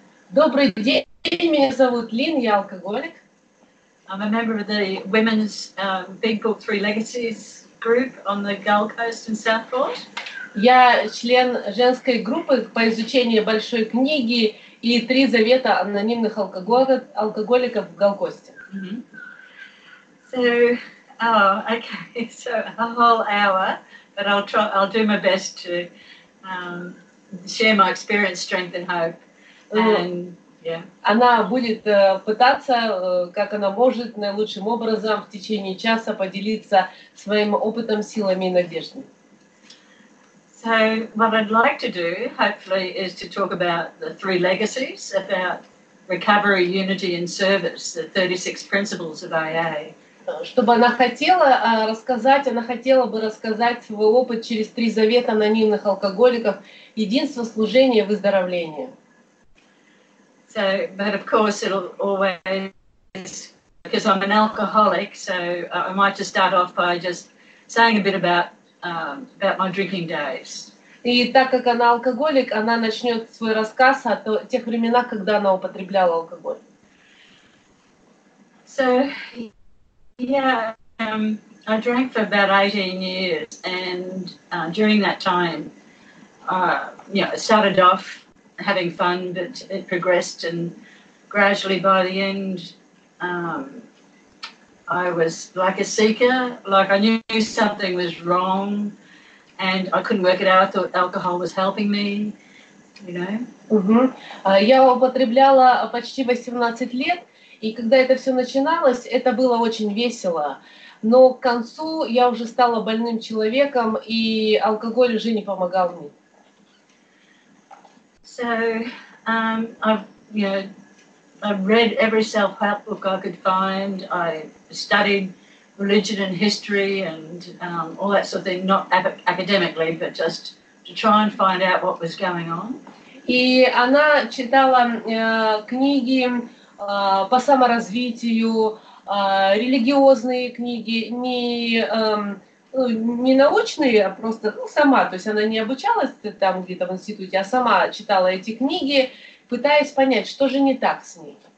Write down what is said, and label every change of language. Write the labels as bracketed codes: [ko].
[ru] Добрый день, меня зовут Лин, я алкоголик. [en] I'm a member of the women's Big Book Three Legacies group on the Gold Coast and Southport. [ru] Я член женской группы по изучению большой книги и три завета анонимных алкоголиков в Gold Coast. [en] So a whole hour, but I'll do my best to share my experience, strength, and hope. [ru] Она будет пытаться, как она может, наилучшим образом в течение часа поделиться своим опытом, силами и надеждами. [en] So what I'd like to do, hopefully, is to talk about the three legacies, about recovery, unity, and service, the 36 principles of AA. [ru] Чтобы она хотела рассказать, она хотела бы рассказать свой опыт через три завета анонимных алкоголиков: единство, служение, выздоровление. [en] So, but of course, it'll always, because I'm an alcoholic, so I might just start off by just saying a bit about my drinking days. [ru] И так как она алкоголик, она начнет свой рассказ о тех временах, когда она употребляла алкоголь. [en] So, I drank for about 18 years, and during that time, it started off having fun, but it progressed, and gradually by the end, I was like a seeker, like I knew something was wrong, and I couldn't work it out. I thought alcohol was helping me, you know. [ru] Я употребляла почти 18 лет. И когда это все начиналось, это было очень весело. Но к концу я уже стала больным человеком, и алкоголь уже не помогал мне. [en] So, I've read every self-help book I could find. I studied religion and history and all that sort of thing, not academically, but just to try and find out what was going on. [ru] И она читала книги по саморазвитию, религиозные книги, не научные, а просто сама, то есть она не обучалась там где-то в институте, а сама читала эти книги, пытаясь понять, что же не так с ней.